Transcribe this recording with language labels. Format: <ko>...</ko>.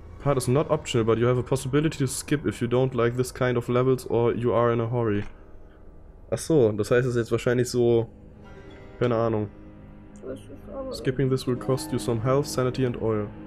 <en>Part is not optional, but you have a possibility to skip if you don't like this kind of levels or you are in a hurry.</en> <de>Ach so, das heißt es ist jetzt wahrscheinlich so, keine Ahnung.</de> <en>Skipping this will cost you some health, sanity and oil.</en>